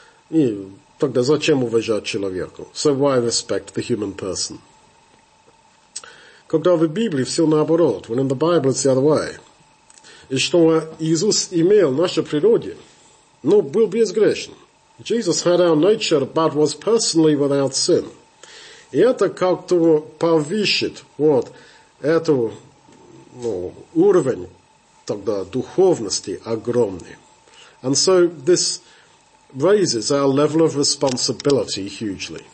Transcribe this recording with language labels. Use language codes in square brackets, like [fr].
[ru] И тогда зачем уважать человеку? [en] So why respect the human person? [ru] Когда в Библии все наоборот, [en] when in the Bible it's the other way. [ru] И что Иисус имел наше природе, но был безгрешен. [en] Jesus had our nature, but was personally without sin. [ru] И это как-то повышит, вот, эту, ну, уровень тогда духовности огромный. [en] And so this raises our level of responsibility hugely.